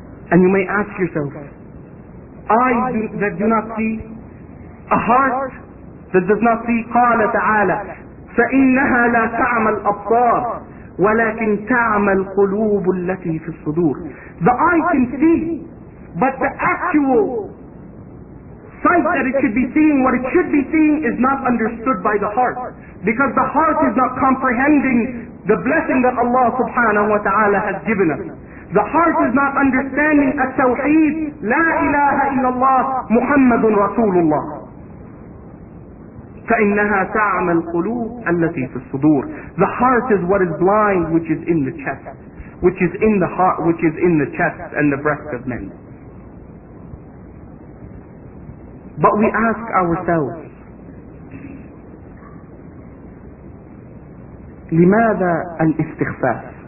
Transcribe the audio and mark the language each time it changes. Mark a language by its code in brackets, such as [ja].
[en] And you may ask yourself, eyes that do not see, a heart that does not see, [ar] قال تعالى فَإِنَّهَا لَا تَعْمَ الْأَبْصَارِ وَلَكِنْ تَعْمَ الْقُلُوبُ الَّتِي فِي الصُّدُورِ, [en] the eye can see, but the actual sight that it should be seeing, what it should be seeing, is not understood by the heart, because the heart is not comprehending the blessing that Allah subhanahu wa ta'ala has given us. The heart is not understanding التوحيد, [ar] لا إله إلا الله محمد رسول الله. فإنها تعمى القلوب التي في الصدور. [en] The heart is what is blind, which is in the chest, which is in the heart, which is in the chest and the breast of men. But we ask ourselves, [ar] لماذا الاستخفاف?